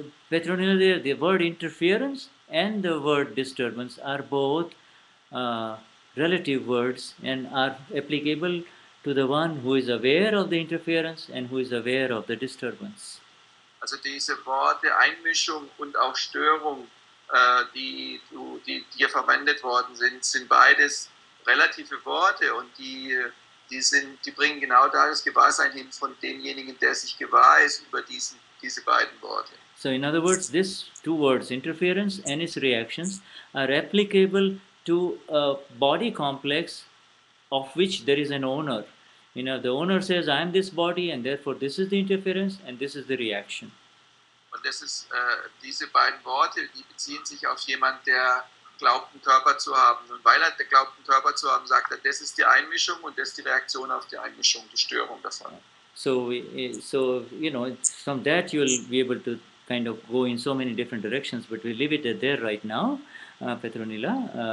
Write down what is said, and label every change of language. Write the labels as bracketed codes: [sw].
[en] Petronilla, the word interference and the word disturbance are both relative words and are applicable to the one who is aware of the interference and who is aware of the disturbance. [de] Also diese Worte Einmischung und auch Störung, die dir verwendet worden sind, sind beides relative Worte und die bringen genau das Gewahrsein hin von demjenigen, der sich gewahr ist über diese beiden Worte. [en] So in other words, these two words, interference and its reactions, are applicable to a body complex of which there is an owner. You know, the owner says, I am this body, and therefore this is the interference, and this is the reaction. [de] Und das ist, diese beiden Worte, die beziehen sich auf jemanden, der glaubt, einen Körper zu haben. Und weil er glaubt, einen Körper zu haben, sagt er, das ist die Einmischung, und das ist die Reaktion auf die Einmischung, die Störung davon. [en] So, you know, from that you'll be able to kind of go in so many different directions, but we leave it there right now, Petronilla.